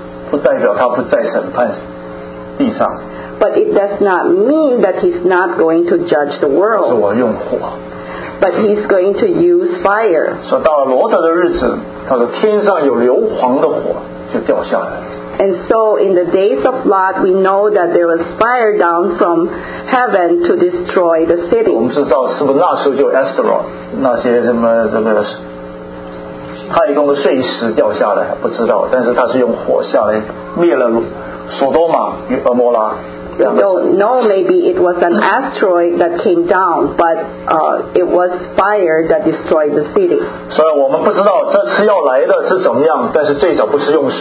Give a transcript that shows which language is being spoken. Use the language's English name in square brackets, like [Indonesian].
[Chinese] 不代表他不再审判地上。 [English] But it does not mean that he's not going to judge the world. [Chinese] 是我用火。 [English] but he's going to use fire. [Chinese] 说到了罗德的日子，他说天上有硫磺的火就掉下来。 [English] And so in the days of Lot, we know that there was fire down from heaven to destroy the city. [Chinese] 我们知道是不是那时候就 Astaroth 那些什么这个太空的碎石掉下来，不知道，但是他是用火下来灭了索多玛与俄摩拉。 [English] No, maybe it was an asteroid that came down, but it was fire that destroyed the city. So we don't know if this is going to come, but this time it's not with water.